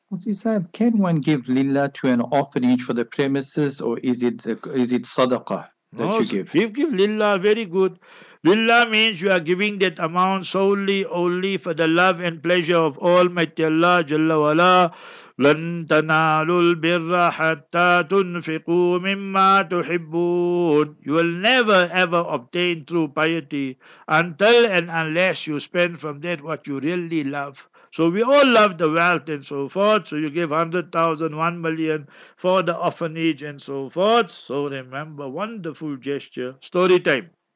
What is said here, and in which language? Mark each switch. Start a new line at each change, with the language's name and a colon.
English: Sahib, can one give lillah to an orphanage for the premises, or is it sadaqah that no, you give? Give lillah, very good. Lillah means you are giving that amount solely, only for the love and pleasure of Almighty Allah, Jalla wa Ala.
Arabic: لن تنالوا البر حتى تنفقوا مما تحبون.
English: You will never ever obtain true piety until and unless you spend from that what you really love. So we all love the wealth and so forth. So you give 100,000, 1 million for the orphanage and so forth. So remember, wonderful gesture. Story time.